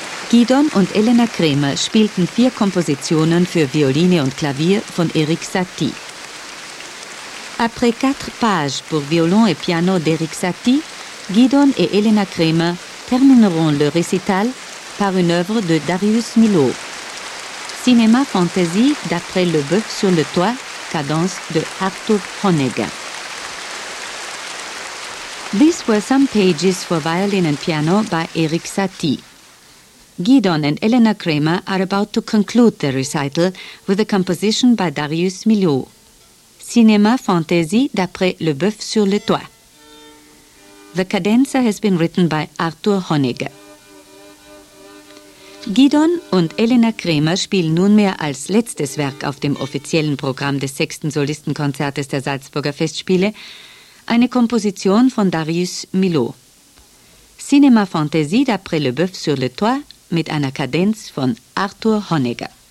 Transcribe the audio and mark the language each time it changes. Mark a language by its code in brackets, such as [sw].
[de] Gidon und Elena Krämer spielten 4 Kompositionen für Violine und Klavier von Erik Satie. [fr] Après 4 pages pour violon et piano d'Erik Satie, Gidon et Elena Krämer termineront le récital par une œuvre de Darius Milhaud. Cinéma fantasy d'après Le Bœuf sur le Toit, cadence de Arthur Honegger. [en] These were some pages for violin and piano by Erik Satie. Gidon and Elena Krämer are about to conclude their recital with a composition by Darius Milhaud, Cinéma fantasy d'après Le Bœuf sur le Toit. The cadenza has been written by Arthur Honegger. [de] Gidon und Elena Krämer spielen nunmehr als letztes Werk auf dem offiziellen Programm des 6. Solistenkonzertes der Salzburger Festspiele eine Komposition von Darius Milhaud. Cinéma fantasy d'après Le Bœuf sur le Toit mit einer Kadenz von Arthur Honegger.